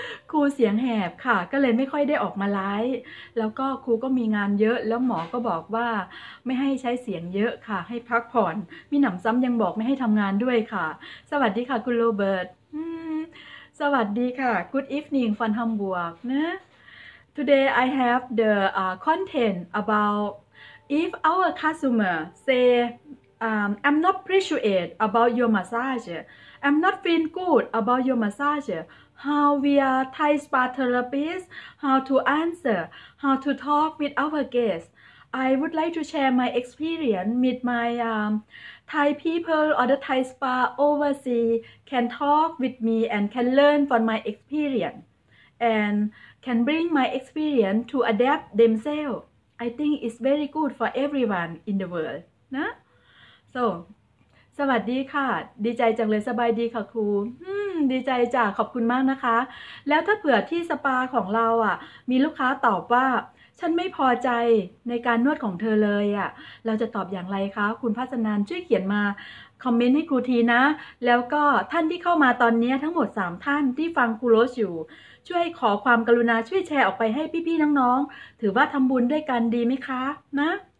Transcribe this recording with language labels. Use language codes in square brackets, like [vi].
[th] ครูเสียงแหบค่ะก็เลยไม่ค่อยได้ออกมาไลฟ์แล้วก็ครูก็มีงานเยอะแล้วหมอก็บอกว่าไม่ให้ใช้เสียงเยอะค่ะให้พักผ่อนมีหนำซ้ำยังบอกไม่ให้ทำงานด้วยค่ะสวัสดีค่ะคุณโรเบิร์ตสวัสดีค่ะ [en] Good evening from Hamburg [th] นะ [en] Today I have the content about if our customer sayI'm not appreciate about your massage. I'm not feel good about your massage. How we are Thai spa therapist, how to answer, how to talk with our guests. I would like to share my experience with my Thai people or the Thai spa overseas can talk with me and can learn from my experience and can bring my experience to adapt themselves. I think it's very good for everyone in the world. [th] นะสวัสดีค่ะดีใจจังเลยสบายดีค่ะครูดีใจจ้ะขอบคุณมากนะคะแล้วถ้าเผื่อที่สปาของเราอ่ะมีลูกค้าตอบว่าฉันไม่พอใจในการนวดของเธอเลยอ่ะเราจะตอบอย่างไรคะคุณพัชนันช่วยเขียนมาคอมเมนต์ให้ครูทีนะแล้วก็ท่านที่เข้ามาตอนนี้ทั้งหมด3ท่านที่ฟังครูโรสอยู่ช่วยขอความกรุณาช่วยแชร์ออกไปให้พี่ๆน้องๆถือว่าทำบุญด้วยกันดีไหมคะนะ